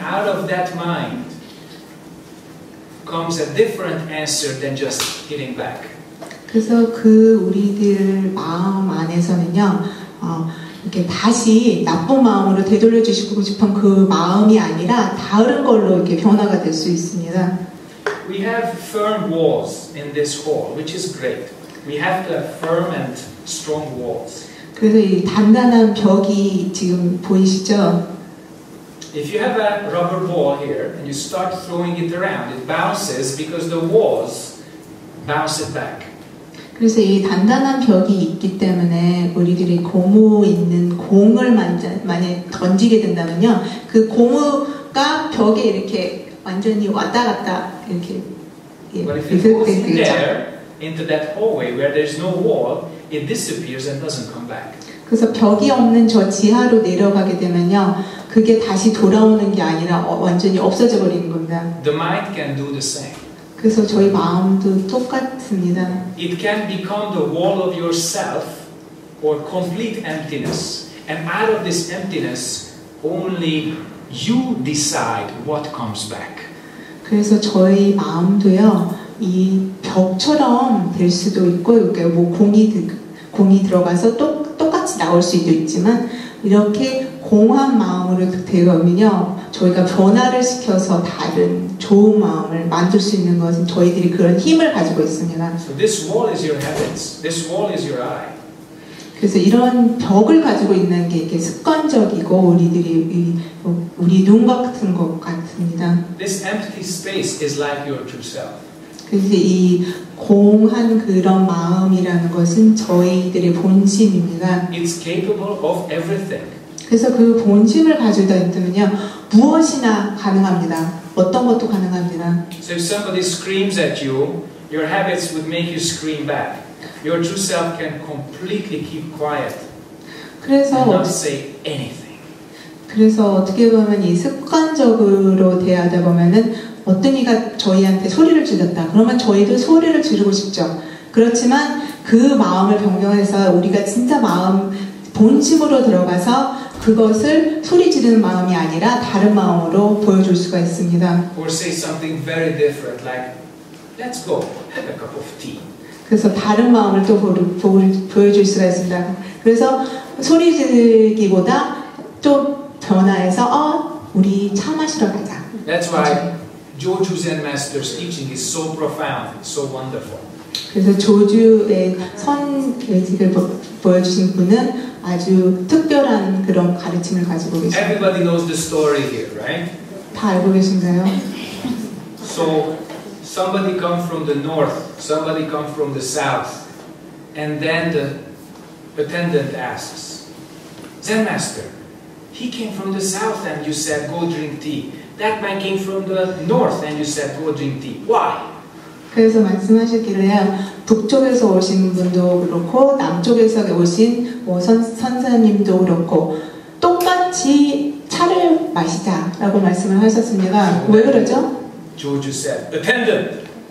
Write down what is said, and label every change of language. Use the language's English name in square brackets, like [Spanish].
[English] And out of that mind comes a different answer than just hitting back. [Korean] 그래서 그 우리들 마음 안에서는요, 이렇게 다시 나쁜 마음으로 되돌려 주시고 싶은 그 마음이 아니라 다른 걸로 이렇게 변화가 될 수 있습니다. [English] We have firm walls in this hall, which is great. We have the firm and strong walls. [Korean] 그래서 이 단단한 벽이 지금 보이시죠? [English] If you have a rubber ball here and you start throwing it around, it bounces because the walls bounce it back. [Korean] 그래서 이 단단한 벽이 있기 때문에 우리들이 고무 있는 공을 만약 던지게 된다면요, 그 고무가 벽에 이렇게 완전히 왔다 갔다 이렇게 [English] 리플렉트 there into that hallway where there's no wall, it disappears and doesn't come back. [Korean] 그래서 벽이 없는 저 지하로 내려가게 되면요, 그게 다시 돌아오는 게 아니라 완전히 없어져 버리는 겁니다. [English] The mind can do the same. [Korean] 그래서 저희 마음도 똑같습니다. [English] It can become the wall of yourself or complete emptiness. And out of this emptiness, only you decide what comes back. [Korean] 그래서 저희 마음도요, 이 벽처럼 될 수도 있고, 이렇게 공이 들어가서 똑같이 나올 수도 있지만, 이렇게 공한 마음으로 되면요, 저희가 변화를 시켜서 다른 좋은 마음을 만들 수 있는 것은 저희들이 그런 힘을 가지고 있습니다. [English] So this wall is your habits. This wall is your eye. [Korean] 그래서 이런 벽을 가지고 있는 게 이게 습관적이고 우리들이 우리 눈 같은 것 같습니다. [English] This empty space is like your true self. [Korean] 그래서 이 공한 그런 마음이라는 것은 저희들의 본심입니다. [English] It's capable of everything. [Korean] 그래서 그 본심을 가지다 있으면요 무엇이나 가능합니다. 어떤 것도 가능합니다. [English] So if somebody screams at you, your habits would make you scream back. Your true self can completely keep quiet. [Korean] 그래서 [English] not say anything. [Korean] 그래서 어떻게 보면 이 습관적으로 대하다 보면은 어떤 이가 저희한테 소리를 질렀다. 그러면 저희도 소리를 지르고 싶죠. 그렇지만 그 마음을 변경해서 우리가 진짜 마음 본심으로 들어가서 그것을 소리 지르는 마음이 아니라 다른 마음으로 보여줄 수가 있습니다. [English] Or say something very different, like, let's go have a cup of tea. [Korean] 그래서 다른 마음을 또 보여줄 수가 있습니다. 그래서 소리 지르기보다 또 변화해서 우리 차 마시러 가자. [English] That's why Joju Zen Master's teaching is so profound, so wonderful. [Korean] 그래서 조주의 선 예직을 보여주신 분은 아주 특별한 그런 가르침을 가지고 계십니다. [English] Everybody knows the story here, right? [Korean] 다 알고 계신가요? [English] So somebody come from the north, somebody come from the south, and then the attendant asks, Zen Master, he came from the south and you said go drink tea. That man came from the north and you said go drink tea. Why? [Korean] 그래서 말씀하셨길래 북쪽에서 오신 분도 그렇고 남쪽에서 오신 뭐 선사님도 그렇고 똑같이 차를 마시자라고 말씀을 하셨습니다. 왜 그러죠? [English] Joju said, attendant.